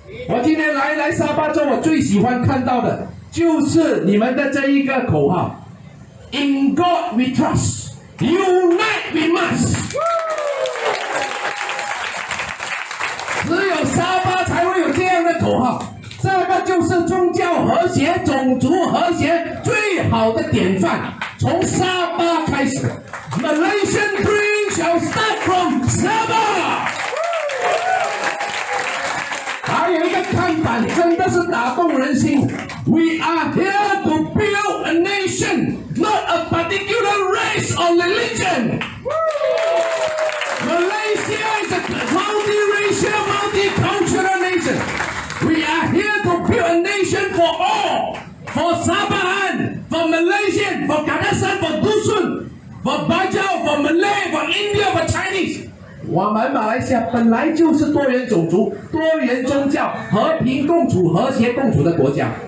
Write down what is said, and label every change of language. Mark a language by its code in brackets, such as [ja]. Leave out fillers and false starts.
[zh] 我今天来沙巴州，我最喜欢看到的就是你们的这一个口号 ： In God We Trust, Unite We Must。只有沙巴才会有这样的口号，这个就是宗教和谐、种族和谐最好的典范。从沙巴开始 ， Malaysian Dream shall start from Sabah。 [en] 还有一个看板真的是打动人心，We are here to build a nation, not a particular race or religion。 Malaysia is a multiracial, multicultural nation. We are here to build a nation for all, for Sabahan, for Malaysian, for Kadasan, for Dusun, for Bajau, for Malay, for India, for Chinese. [zh] 我们马来西亚本来就是多元种族、多元宗教、和平共处、和谐共处的国家。